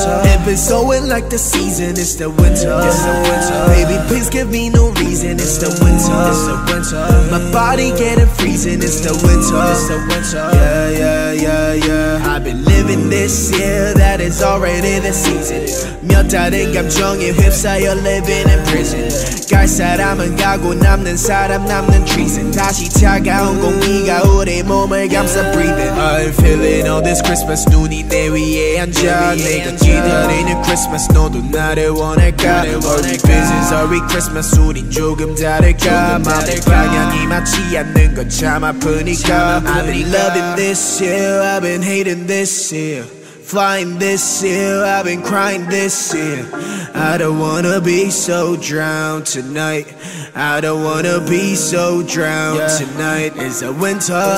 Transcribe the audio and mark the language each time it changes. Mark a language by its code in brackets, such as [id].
[en] It be snowing like the season, it's the winter. Baby, please give me no reason, it's the winter. My body getting freezing, it's the winter. Yeah, I've been living this year, that is already the season. [ko] 멸탈은 감정에 휩싸여 [en] living in prison. [ko] 갈 사람은 가고 남는 사람 남는 treason. 다시 차가운 공기가 우리 몸을 감싸 breathing. [en] I'm feeling all this Christmas, [ko] 눈이 내 위에 앉아. 내가 기다리는 Christmas, 너도 나를 원할까? [en] Are we business, are we Christmas, [ko] 우린 조금 다를까? 마음의 방향이 맞지 않는 건 참 아프니까. [en] I've been loving this year, I've been hating this year. Flying this year, I've been crying this year. I don't wanna be so drowned tonight. I don't wanna be so drowned tonight. It's a winter.